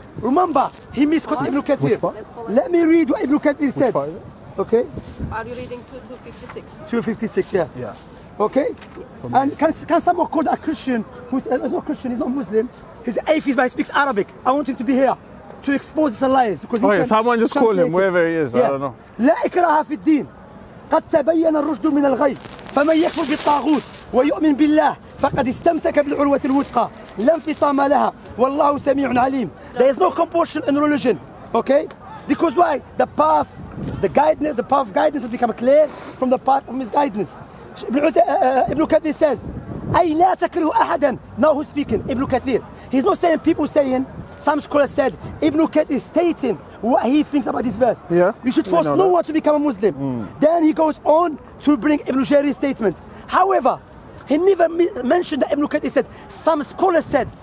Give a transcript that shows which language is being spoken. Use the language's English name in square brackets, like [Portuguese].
[English] Remember, he misquoted Ibn Kathir. Let me read what Ibn Kathir said. Part? Okay. Are you reading 256? 256, yeah. Yeah. Okay. And can someone call that a Christian, who's not a Christian, he's not Muslim, he's an atheist but he speaks Arabic. I want him to be here. To expose his lies. Because okay, someone just call him, wherever he is, yeah. I don't know. [Arabic] لا إكراه في الدين قد تبين الرشد من الغي فمن يكفر بالطاغوت ويؤمن بالله فقد استمسك بالعروة الوثقى لا انفصام لها والله سميع عليم. [English] There is no compulsion in religion, okay? Because why? The path, the path of guidance has become clear from the path of misguidance. Ibn Kathir says, [Arabic] أي لا تكره أحدا. [English] Now who's speaking? Ibn Kathir. He's not saying people saying. Some scholars said Ibn Kathir is stating what he thinks about this verse. Yeah. You should force no one to become a Muslim. Mm. Then he goes on to bring Ibn Jarir's statement. However, he never mentioned that Ibn Kathir said. Some scholars said.